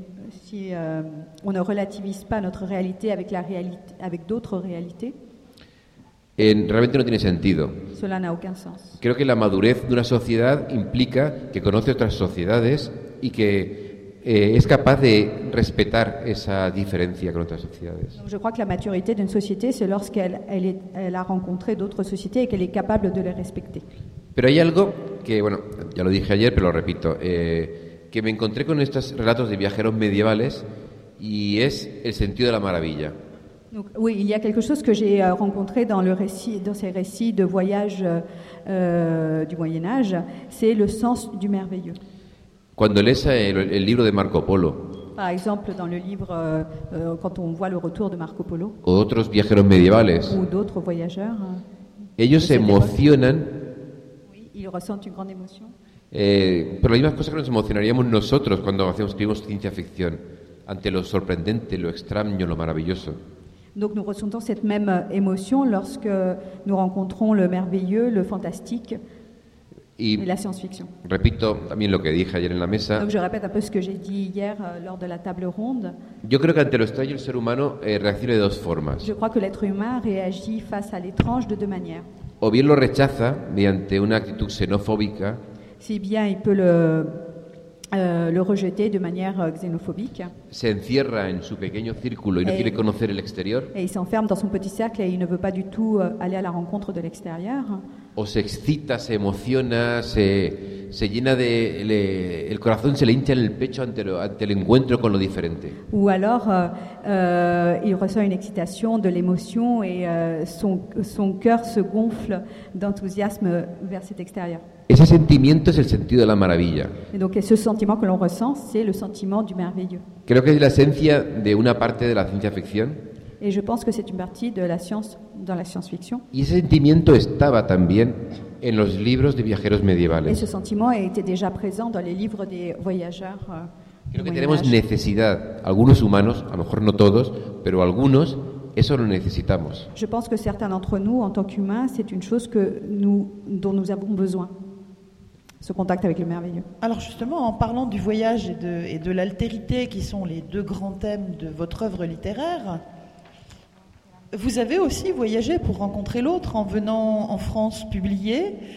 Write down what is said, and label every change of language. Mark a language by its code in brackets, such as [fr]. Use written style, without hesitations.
[fr] Si on ne relativise pas notre réalité avec d'autres réalités. [es] Realmente no tiene sentido. [fr] Cela n'a aucun sens. [es] Creo que la madurez de una sociedad implica que conoce otras sociedades y que es capaz de respetar esa diferencia con otras sociedades. [fr] Je crois que la maturité d'une société, c'est lorsqu'elle elle a rencontré d'autres sociétés et qu'elle est capable de les respecter. [es] Pero hay algo que, bueno, ya lo dije ayer, pero lo repito, que me encontré con estos relatos de viajeros medievales y es el sentido de la maravilla. [fr] Donc, oui, il y a quelque chose que j'ai rencontré dans ces récits de voyage du Moyen-Âge, c'est le sens du merveilleux. [es] Cuando lees el libro de Marco Polo. [fr] Par exemple, dans le livre, quand on voit le retour de Marco Polo. [es] O otros viajeros medievales. [fr] Ou d'autres voyageurs. [es] Ellos se emocionan. [fr] Oui, ils ressentent une grande émotion. [es] Pero la misma cosa que nos emocionaríamos nosotros cuando escribimos ciencia ficción, ante lo sorprendente, lo extraño, lo maravilloso. [fr] Donc nous ressentons cette même émotion lorsque nous rencontrons le merveilleux, le fantastique. [es] Y [fr] la science-fiction. [es] Repito también lo que dije ayer en la mesa. [fr] Donc je répète un peu ce que j'ai dit hier lors de la table ronde. [es] Yo creo que ante lo extraño el ser humano reacciona de dos formas. [fr] Je crois que l'être humain réagit face à l'étrange de deux manières. [es] O bien lo rechaza mediante una actitud xenofóbica. [fr] Si bien il peut le rejeter de manière xénophobique. [es] Se encierra en su pequeño círculo y no quiere conocer el exterior. [fr] Et il s'enferme dans son petit cercle et il ne veut pas du tout aller à la rencontre de l'extérieur. [es] O se excita, se emociona, se llena de el corazón se le hincha en el pecho ante el encuentro con lo diferente. [fr] Ou alors il ressent une excitation de l'émotion et son cœur se gonfle d'enthousiasme vers cet extérieur. [es] Ese sentimiento es el sentido de la maravilla. [fr] Et donc ce sentiment que l'on ressent, c'est le sentiment du merveilleux. [es] Creo que es la esencia de una parte de la ciencia ficción. [fr] Et je pense que c'est une partie de la science dans la science-fiction. [es] Y ese sentimiento estaba también en los libros de viajeros medievales. [fr] Et ce sentiment était déjà présent dans les livres des voyageurs. [es] Creo que tenemos necesidad, algunos humanos, a lo mejor no todos, pero algunos, eso lo necesitamos. [fr] Je pense que certains d'entre nous, en tant qu'humains, c'est une chose que dont nous avons besoin. Ce contact avec le merveilleux. Alors justement, en parlant du voyage et de l'altérité, qui sont les deux grands thèmes de votre œuvre littéraire, vous avez aussi voyagé pour rencontrer l'autre en venant en France publier.